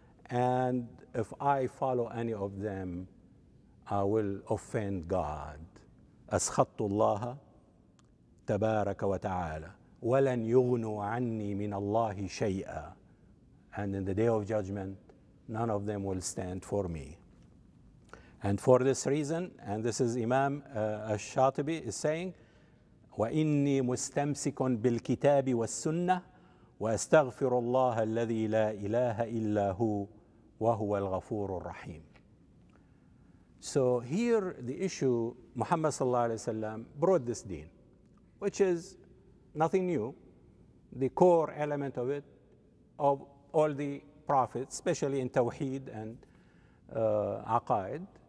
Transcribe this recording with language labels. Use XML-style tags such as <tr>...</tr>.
<en>And if I follow any of them, I will offend God.</en> <ar>أَسْخَطُّ اللَّهَ تَبَارَكَ وَتَعَالَى وَلَنْ يُغْنُوا عَنِّي مِنَ اللَّهِ شَيْئًا.</ar> <en>And in the day of judgment, none of them will stand for me. And for this reason, and this is Imam al-Shatibi is saying,</en> <ar>وَإِنِّي مُسْتَمْسِكٌ بِالْكِتَابِ وَالسُّنَّةِ وَأَسْتَغْفِرُ اللَّهَ الَّذِي لَا إِلَهَ إِلَّا هُوَ وَهُوَ الْغَفُورُ الرَّحِيمُ.</ar> <en>So here the issue, Muhammad sallallahu alayhi wa sallam brought this deen, which is nothing new, the core element of it, of all the prophets, especially in Tawheed and Aqaid.</en>